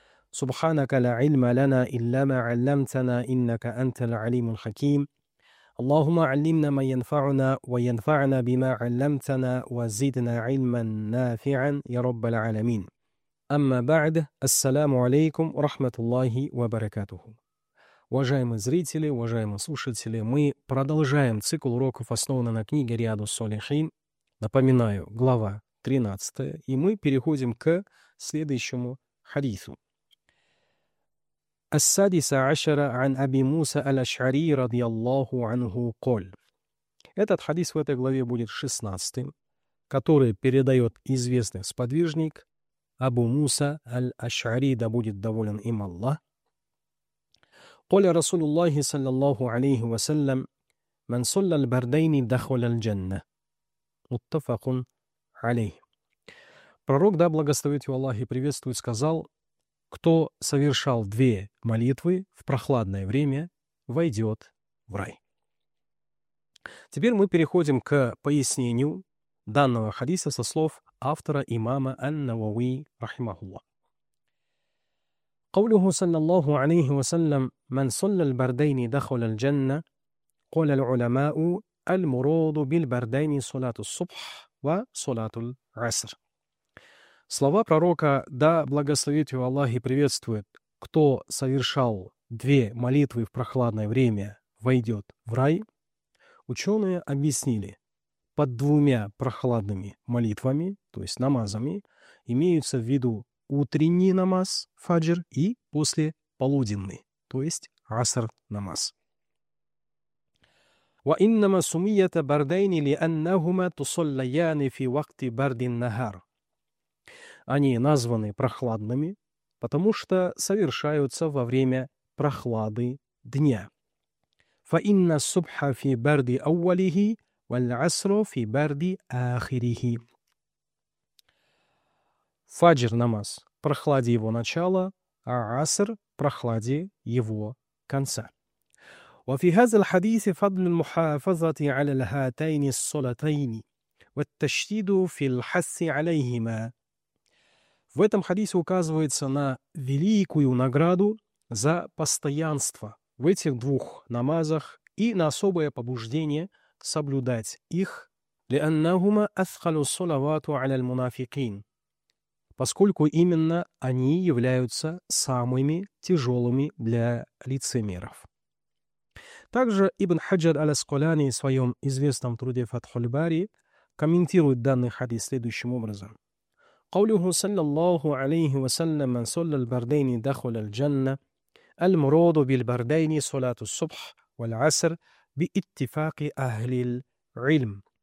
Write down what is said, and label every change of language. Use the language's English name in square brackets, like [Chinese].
[Arabic] سبحانك لا علم لنا إلا ما علمتنا إنك أنت العليم الحكيم. اللهم علمنا ما ينفعنا وينفعنا بما علمتنا وزدنا علما نافعا يا رب العالمين. أما بعد، السلام عليكم ورحمة الله وبركاته. [Russian] Уважаемые зрители, уважаемые слушатели, мы продолжаем цикл уроков, основанный на книге «Риаду Солихин». Напоминаю, глава 13, и мы переходим к следующему хадису. [Arabic] «Ас-садиса ашара ан Аби Муса аль-Ашари радиаллаху анху коль». [Russian] Этот хадис в этой главе будет 16-м, который передает известный сподвижник Абу Муса аль-Ашари, да будет доволен им Аллах. [Arabic] قال رسول الله صلى الله عليه وسلم من صلى البردين دخل الجنة متفق عليه. [Russian] Пророк, да благословит его Аллах и приветствует, сказал: кто совершал две молитвы в прохладное время, войдет в рай. Теперь мы переходим к пояснению данного хадиса со слов автора имама ан-Науи рахимахуллах. [Arabic] قوله صلى الله عليه وسلم من صلى البردين دخل الجنة قال العلماء المراد بالبردين صلاة الصبح وصلاة العصر. [Russian] Слова пророка, да благословит его Аллах и приветствует, кто совершал две молитвы в прохладное время, войдет в рай. Ученые объяснили, под двумя прохладными молитвами, то есть намазами, имеются в виду утренний намаз, фаджр, и послеполуденный, то есть аср намаз. [Arabic] وَإِنَّمَا سُمِيَّتَ بَرْدَيْنِ لِأَنَّهُمَا تُصَلَّيَانِ فِي وَقْتِ بَرْدِ النَّهَارِ. [Russian] Они названы прохладными, потому что совершаются во время прохлады дня. [Arabic] فَإِنَّ السُّبْحَ فِي بَرْدِ أَوَّلِهِ وَالْعَصْرُ فِي بَرْدِ آخِرِهِ. [Russian] Фаджр – намаз, прохладе его начала, а аср – прохладе его конца. [Arabic] وفي هذا الحديث فضل المحافظة على الهاتين الصلاتين والتشديد في الحث عليهما. [Russian] В этом хадисе указывается на великую награду за постоянство в этих двух намазах и на особое побуждение соблюдать их. [Arabic] لأنهما أثقل الصلوات على المنافقين. [Russian] Поскольку именно они являются самыми тяжелыми для лицемеров. Также Ибн Хаджар аль-Асқалани в своем известном труде «Фатхуль-Бари» комментирует данный хадис следующим образом. [Arabic] قَوْلُهُ صَلَّى اللَّهُ عَلَيْهِ وَسَلَّمَ مَنْ صَلَّى الْبَرْدَيْنِ دَخُلَ الْجَنَّةِ الْمُرَادُ بِالْبَرْدَيْنِ صَلَاتُ الصُّبْحِ وَالْعَصْرِ بِإِتِّفَاقِ أَهْلِ الْعِلْمِ.